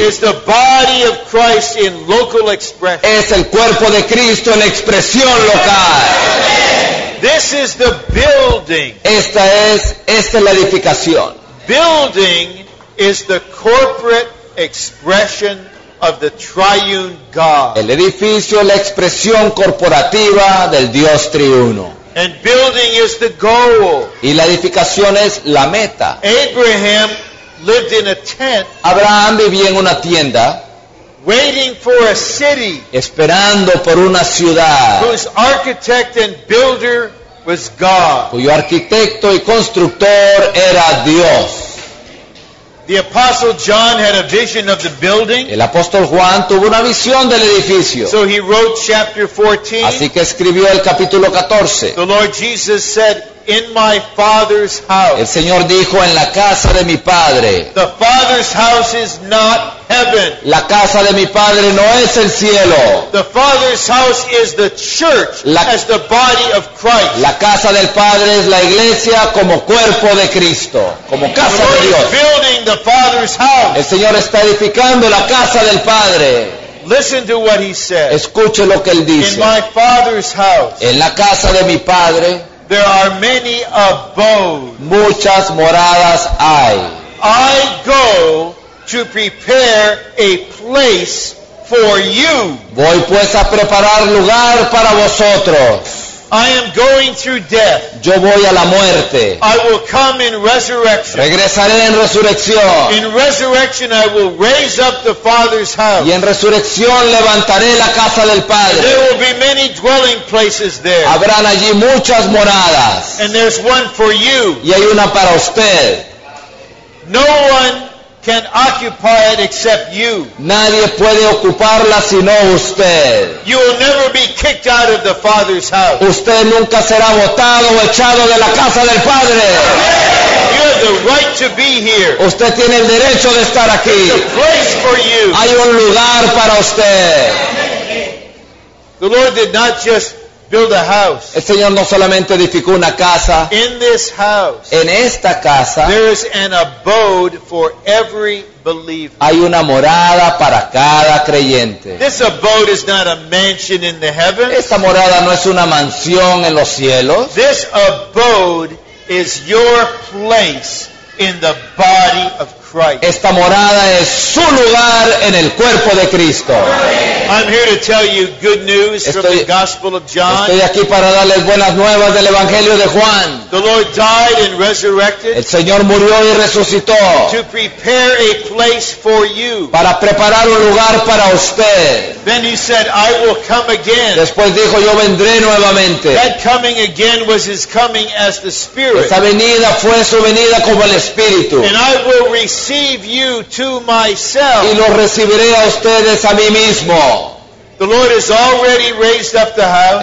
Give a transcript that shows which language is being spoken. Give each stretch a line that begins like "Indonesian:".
English: is the body of Christ in local expression.
Spanish: Es el cuerpo de Cristo en expresión local.
English: This is the building.
Spanish: Esta es la edificación.
English: Building is the corporate expression of the triune God.
Spanish: El edificio es la expresión corporativa del Dios triuno.
English: And building is the goal.
Spanish: Y la edificación es la meta.
English: Abraham lived in a tent.
Spanish: Abraham vivía en una tienda.
English: waiting for a city,
Spanish: esperando por una ciudad,
English: whose architect and builder was God,
Spanish: cuyo arquitecto y constructor era Dios.
English: The apostle John had a vision of the building.
Spanish: El apóstol Juan tuvo una visión del edificio.
English: So he wrote chapter 14.
Spanish: Así que escribió el capítulo 14.
English: The Lord Jesus said, "In my Father's house."
Spanish: El Señor dijo, en la casa de mi padre.
English: The Father's house is not heaven.
Spanish: La casa de mi padre no es el cielo.
English: The Father's house is the church, as the body of Christ.
Spanish: La casa del Padre es la iglesia como cuerpo de Cristo, como casa de Dios.
English: Building the Father's house.
Spanish: El Señor está edificando la casa del Padre.
English: Listen to what he said.
Spanish: Escuche lo que él dice.
English: In my Father's house.
Spanish: En la casa de mi padre.
English: There are many abodes.
Spanish: Muchas moradas hay.
English: I go to prepare a place for you.
Spanish: Voy pues a preparar lugar para vosotros.
English: I am going through death.
Spanish: Yo voy a la muerte.
English: I will come in resurrection.
Spanish: Regresaré en resurrección.
English: In resurrection I will raise up the Father's house.
Spanish: Y en resurrección levantaré la casa del Padre.
English: There will be many dwelling places there.
Spanish: Habrán allí muchas moradas.
English: And there's one for you.
Spanish: Y hay una para usted.
English: No one can occupy it except you.
Spanish: Nadie puede ocuparla sino usted.
English: You will never be kicked out of the Father's house.
Spanish: Usted nunca será botado o echado de la casa del Padre.
English: You have the right to be here.
Spanish: Usted tiene el derecho de estar aquí.
English: There's a place for you.
Spanish: Hay un lugar para usted.
English: The Lord did not just build a house.
Spanish: El Señor no solamente edificó una casa.
English: In this house.
Spanish: En esta casa.
English: There is an abode for every believer.
Spanish: Hay una morada para cada creyente.
English: This abode is not a mansion in the heavens.
Spanish: Esta morada no es una mansión en los cielos.
English: This abode is your place in the body of Christ.
Spanish: Esta morada es su lugar en el cuerpo de Cristo.
English: I'm here to tell you good news from the Gospel of John.
Spanish: Estoy aquí para darles buenas nuevas del Evangelio de Juan.
English: The Lord died and resurrected.
Spanish: El Señor murió y resucitó.
English: To prepare a place for you.
Spanish: Para preparar un lugar para usted.
English: Then he said, "I will come again."
Spanish: Después dijo, "Yo vendré nuevamente."
English: That coming again was his coming as the Spirit.
Spanish: Esa venida fue su venida como el Espíritu.
English: And I will receive you to myself.
Spanish: Y lo recibiré a ustedes a mí mismo.
English: The Lord has already raised up the house.